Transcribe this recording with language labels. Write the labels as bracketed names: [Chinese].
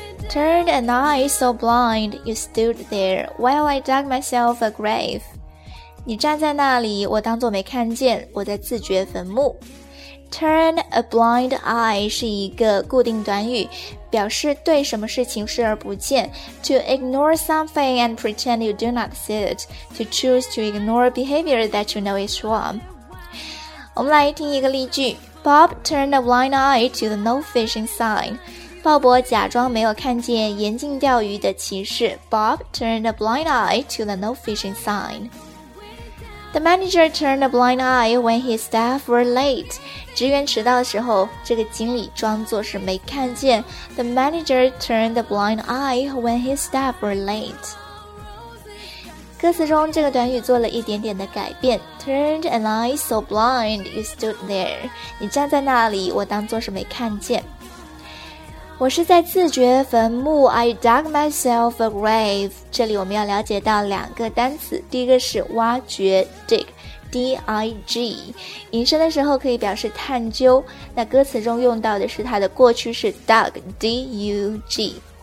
[English] Turned an eye so blind, you stood there while I dug myself a grave. [Chinese] 你站在那里，我当作没看见，我在自掘坟墓。 [English] Turn a blind eye [Chinese] 是一个固定短语，表示对什么事情视而不见。 [English] To ignore something and pretend you do not see it. To choose to ignore behavior that you know is wrong. [Chinese] 我们来听一个例句。 [English] Bob turned a blind eye to the no fishing sign. [Chinese] 鲍勃假装没有看见严禁钓鱼的旗帜。 [English] Bob turned a blind eye to the no fishing sign. The manager turned a blind eye when his staff were late. [Chinese] 职员迟到的时候，这个经理装作是没看见。 [English] The manager turned a blind eye when his staff were late. [Chinese] 歌词中这个短语做了一点点的改变。 [English] Turned an eye so blind, you stood there. [Chinese] 你站在那里，我当作是没看见。我是在自掘坟墓 [English] I dug myself a grave [Chinese] 这里我们要了解到两个单词第一个是挖掘 dig D-I-G 引申的时候可以表示探究那歌词中用到的是它的过去式 dug D-U-G